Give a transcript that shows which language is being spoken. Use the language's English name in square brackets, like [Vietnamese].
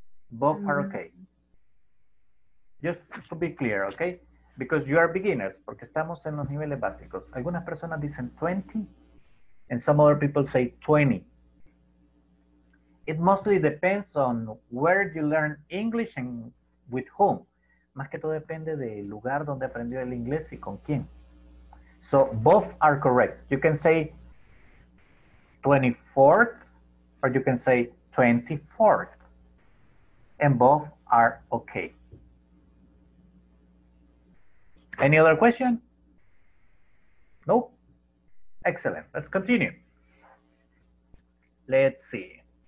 [English] Both are okay. Just to be clear, okay? Because you are beginners, [Spanish] porque estamos en los niveles básicos. Algunas personas dicen 20, [English] and some other people say 20. It mostly depends on where you learn English and with whom. [Spanish] Más que todo depende del lugar donde aprendió el inglés y con quién. [English] So both are correct. You can say 24th, or you can say 24th. And both are okay. Any other question? Nope. Excellent. Let's continue. Let's see.